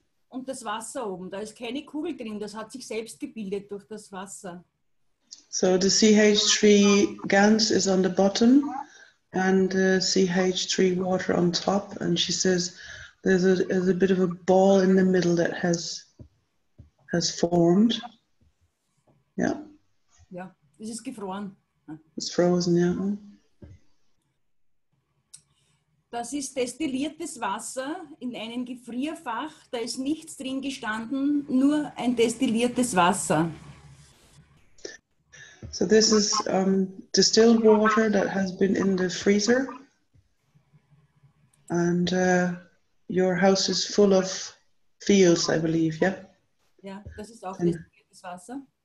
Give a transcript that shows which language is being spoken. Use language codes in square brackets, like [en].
[de] Und das Wasser oben, da ist keine Kugel drin, das hat sich selbst gebildet durch das Wasser. [en] So the CH3 GANS is on the bottom and the CH3 water on top. And she says there's a bit of a ball in the middle that has formed. Yeah. Yeah, this is [de] gefroren. [en] It's frozen, yeah. [de] Das ist destilliertes Wasser in einem Gefrierfach. Da ist nichts drin gestanden, nur ein destilliertes Wasser. [en] So this is distilled water that has been in the freezer. And your house is full of fields, I believe, yeah? [de] Ja, das ist auch destilliertes Wasser.